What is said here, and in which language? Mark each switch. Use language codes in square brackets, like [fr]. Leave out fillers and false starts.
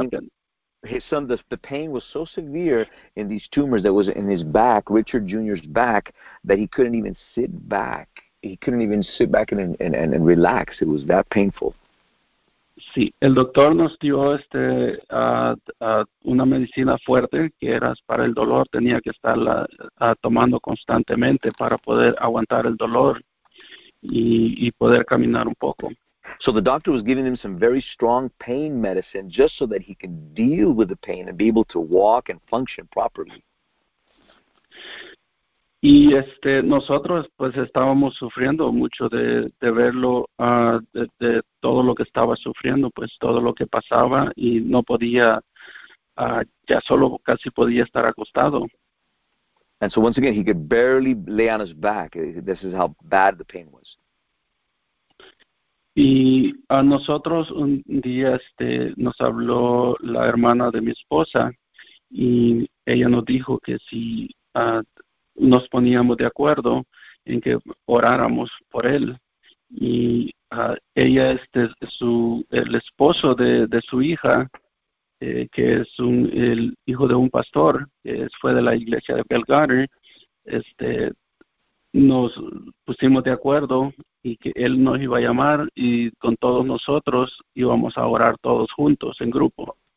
[en] again, his son, the pain was so severe in these tumors that was in his back, Richard Jr.'s back, that he couldn't even sit back. He couldn't even sit back and relax. It was that painful. [es] Sí, el doctor nos dio una medicina fuerte que era para el dolor. Tenía que estarla tomando constantemente para poder aguantar el dolor y poder caminar un poco. [en] So the doctor was giving him some very strong pain medicine just so that he could deal with the pain and be able to walk and function properly. [es] Y nosotros pues estábamos sufriendo mucho de verlo, de todo lo que estaba sufriendo, pues todo lo que pasaba y no podía, ya solo casi podía estar acostado. [en] And so once again, he could barely lay on his back. This is how bad the pain was. [es] Y a nosotros un día nos habló la hermana de mi esposa y ella nos dijo que si nos poníamos de acuerdo en que oráramos por él. Y ella, el esposo de su hija, que es el hijo de un pastor, fue de la iglesia de Bellgarden, nos pusimos de acuerdo y que él nos iba a llamar y con todos nosotros íbamos a orar todos juntos en grupo.